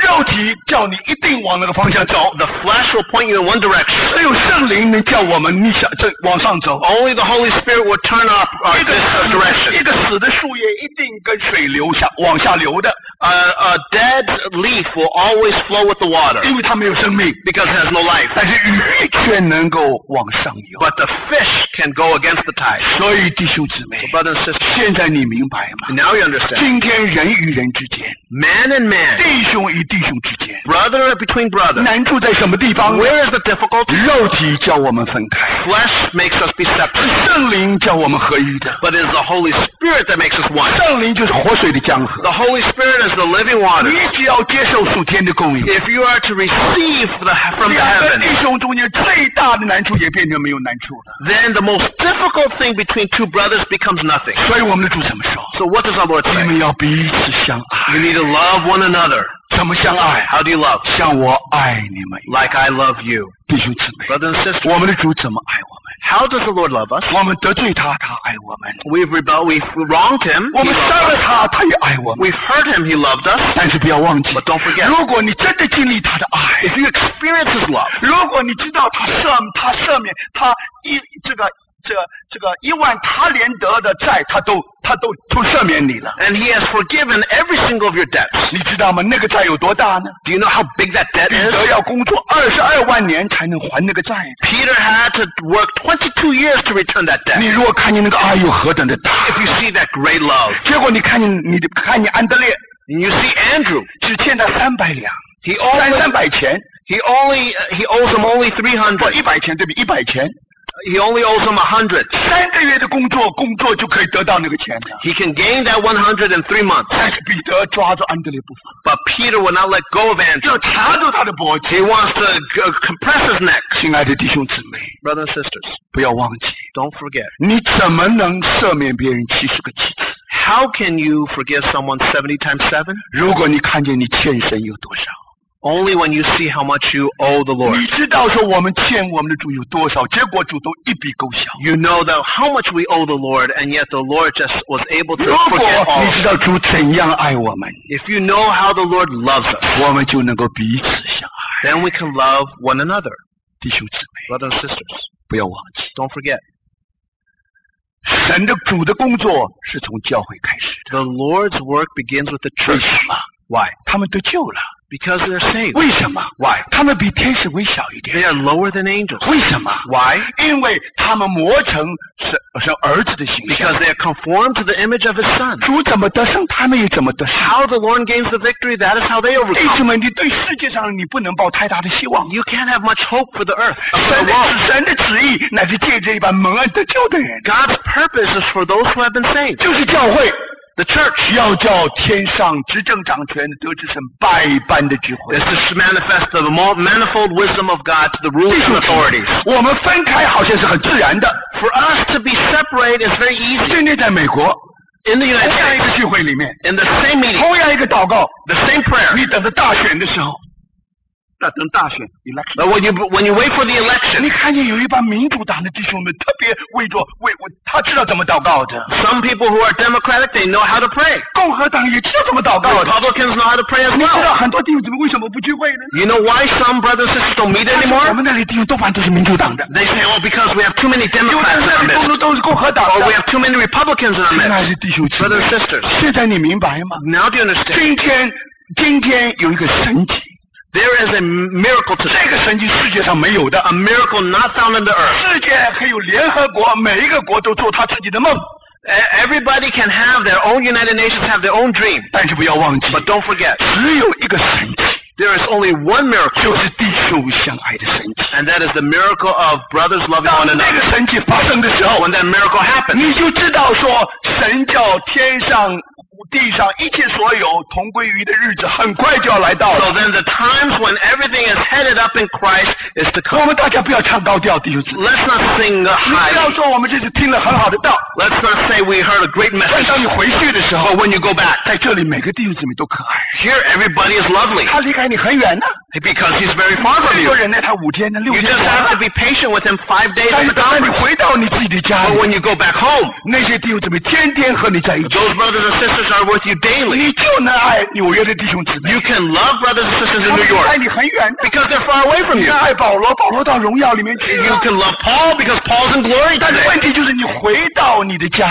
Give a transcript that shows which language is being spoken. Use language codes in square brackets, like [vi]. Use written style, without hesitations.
[zh] 肉体叫你一定往那个方向走 [en] ，The flesh will point you in one direction。 [zh] 只有圣灵能叫我们逆向，就往上走。 [en] Only the Holy Spirit will turn up this direction。 [zh] 一个死的树叶一定跟水流下往下流的。 [en] A dead leaf will always flow with the water， [zh] 因为它没有生命 [en] ，because it has no life。 [zh] 但是鱼却能够往上游 [en] ，but the fish can go against the tide。 [zh] 所以弟兄姊妹 [en] ，brothers and sisters， [zh] 现在你明白吗 [en] ？Now you understand。 [zh] 今天人与人之间 [en] ，man and man， [zh] 弟兄与弟兄之间 [en] ，brother between brother， [zh] 难处在什么地方 [en] ？Where is the difficulty？ [zh] 肉体叫我们分开 [en] ，flesh makes us be separate。 [zh] 圣灵叫我们合一的 [en] ，but it's the Holy Spirit that makes us one。 [zh] 圣灵就是活水的江河 [en] ，the Holy Spirit is the living water。 [zh] 你只要接受属天的供应 [en] ，if you are to receive from the heaven。 [zh] 弟兄中间最大的难处也变成没有难处了。 [en] Then the most difficult thing between two brothers becomes nothing. [zh] 所以我们的主怎么说 [en] ？So what does our Lord say? [zh] 你们要彼此相爱。 [en] You need to love one another. [zh] 怎么相爱 [en] ？How do you love? [zh] 像我爱你们。 [en] Like I love you. [zh] 弟兄姊妹 [en] ，brothers and sisters， [zh] 我们的主怎么爱我们 [en] ？How does the Lord love us? [zh] 我们得罪他，他爱我们。 [en] We've rebelled, we've wronged him. [zh] 我们伤了他，他也爱我们。 [en] We've hurt him, he loved us. [zh] 但是不要忘记 [en] ，But don't forget， [zh] 如果你真的经历他的爱。 [en] If you experience his love, [zh] 如果你知道他赦免，他赦免他一这个这个这个一万他连得的债，他都赦免你了。 [en] And he has forgiven every single of your debts. [zh] 你知道吗？那个债有多大呢 [en] ？Do you know how big that debt is? [zh] 彼得要工作22万年才能还那个债。 [en] Peter had to work 22 years to return that debt. [zh] 你如果看见那个爱有何等的大 [en] ？If you see that great love, [zh] 结果你看见安德烈 [en] ，and you see Andrew, [zh] 只欠他300两。 [en] He only, [zh] 300钱 [en] he owes him only 300. [zh] 100钱对不对？100钱。 [en] He only owes him 100. [zh] 3个月的工作就可以得到那个钱了。 [en] He can gain that 100 in 3 months. [zh] 但是彼得抓住安德烈不放。 [en] But Peter will not let go of Andrew. [zh] 就掐住他的脖子。 [en] He wants to compress his neck. [zh] 亲爱的弟兄姊妹 [en] ，Brothers and sisters， [zh] 不要忘记。 [en] Don't forget. [zh] 你怎么能赦免别人70个妻子？ [en] How can you forgive someone 70 times 7？ [zh] 如果你看见你欠神有多少。 [en] Only when you see how much you owe the Lord. [zh] 你知道说我们欠我们的主有多少，结果主都一笔勾销。 [en] You know that how much we owe the Lord, and yet the Lord just was able to forget all. [zh] 如果你知道主怎样爱我们 [en] ，If you know how the Lord loves us, [zh] 我们就能够彼此相爱。 [en] Then we can love one another. [zh] 弟兄姊妹 [en] ，Brothers and sisters, [zh] 不要忘记 [en] ，Don't forget. [zh] 神的主的工作是从教会开始的。 [en] The Lord's work begins with the church. [zh] 为什么 [en] ？Why? [zh] 他们得救了。 [en] Because they're saved. [zh] 为什么 [en] ？Why? [zh] 他们比天使微小一点。 [en] They are lower than angels. [zh] 为什么 [en] ？Why? [zh] 因为他们磨成神儿子的形象。 [en] Because they are conformed to the image of his son. [zh] 主怎么得胜，他们也怎么得胜。 [en] How the Lord gains the victory, that is how they overcome. [zh] 弟兄们，你对世界上你不能抱太大的希望。 [en] You can't have much hope for the earth. [zh] 神的旨意乃是借这一班蒙恩得救的人。 [en] God's purpose is for those who have been saved. [zh] 就是教会。 [en] The church [zh] 要叫天上执政掌权的得之神百般的智慧。 [en] This is manifest the manifold wisdom of God to the rulers and authorities. [zh] 我们分开好像是很自然的。 [en] For us to be separate is very easy. [zh] 今天在美国。 [en] In the United States. [zh] 同样一个聚会里面。 [en] In the same meeting. [zh] 同样一个祷告。 [en] The same prayer. [zh] 你等着大选的时候。等大选, [en] election. But when you wait for the election, [zh] 你看见有一帮民主党的弟兄们特别为着为他知道怎么祷告的。 [en] Some people who are Democratic, they know how to pray. [zh] 共和党也知道怎么祷告的。 [en] Republicans know how to pray as well. [zh] 你知道很多弟兄怎么为什么不聚会呢？ [en] You know why some brothers and sisters don't meet anymore? [zh] 我们那里弟兄多半都是民主党的。 [en] They say, oh, because we have too many Democrats in our midst. [zh] 都是共和党的。 [en] Or we have too many Republicans in our midst. [zh] 亲爱的弟兄姐妹, [en] brothers and sisters. [zh] 现在你明白吗？ [en] Now do you understand? [zh] 今天有一个神迹。 [en] There is a miracle today. [zh] 这个神迹世界上没有的, [en] a miracle not found in the earth. [zh] 世界还有联合国,每一个国都做他自己的梦。 [en] Everybody can have their own United Nations, have their own dream. [zh] 但是不要忘记, [en] but don't forget. [zh] 只有一个神迹, [en] there is only one miracle. [zh] 就是弟兄相爱的神迹。 [en] And that is the miracle of brothers loving one another. [zh] 当那个神迹发生的时候, [en] when that miracle happens, [zh] 你就知道说神叫天上地上一切所有同归于的日子很快就要来到了。 [en] So then the times when everything is headed up in Christ is to come. [zh] 我们大家不要唱高调，弟兄姊妹。 [en] Let's not sing high. [zh] 你不要说我们这次听了很好的道。 [en] Let's not say we heard a great message. [zh] 但当你回去的时候， [en] when you go back, [zh] 在这里每个弟兄姊妹都可爱。 [en] Here everybody is lovely. [zh] 他离开你很远呢。 [en] Because he's very far from you. [zh] 你要忍耐他五天呢，六天。 [en] You just have to be patient with him 5 days. [zh] 但是当你回到你自己的家， [en] but when you go back home, [zh] 那些弟兄姊妹天天和你在一起。 [en] Those brothers and sisters are with you daily. You can love brothers and sisters in New York because they're far away from you. You can love Paul because Paul's in glory today.